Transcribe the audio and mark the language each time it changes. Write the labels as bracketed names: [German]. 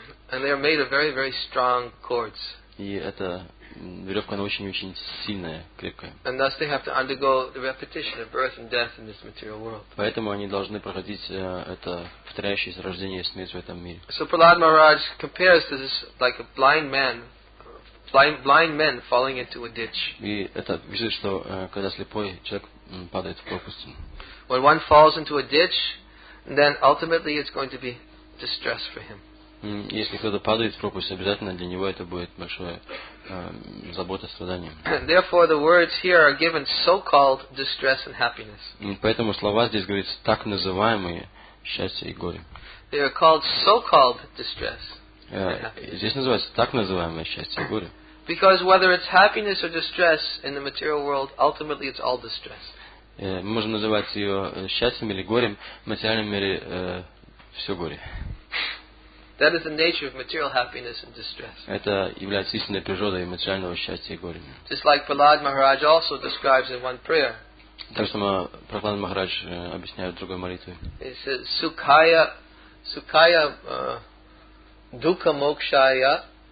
[English] And they are made of very, very strong cords. [Russian] И это веревка, она очень-очень сильная, крепкая. [English] And thus they have to undergo the repetition of birth and death in this material world. [Russian] Поэтому они должны проходить это повторяющееся рождение и смерть в этом мире. [English] So Prahlad Maharaj compares to this like a blind man, blind men falling into a ditch. [Russian] И это видишь, что когда слепой человек падает в пропасть. [English] When one falls into a ditch, then ultimately it's going to be distress for him. [Russian] Если кто-то падает в пропасть, обязательно для него это будет большое забота, страдание. [English] Therefore, the words here are given so-called distress and happiness. [Russian] Поэтому слова здесь говорится так называемые счастье и горе. [English] They are called so-called distress. [Russian] Здесь называется так называемое счастье, горе. [English] Because whether it's happiness or distress in the material world, ultimately it's all distress. [Russian] Мы можем называть ее счастьем или горем, в материальном мире все горе. [English] That is the nature of material happiness and distress. [Russian] Это является истинной природой материального счастья и горя. [English] Just like Prahlad Maharaj also describes in one prayer. [Russian] Так что Прохлад Махарадж объясняет в другой молитве. [English] He says, [Sanskrit] Sukhaya Dukha Mokshaya.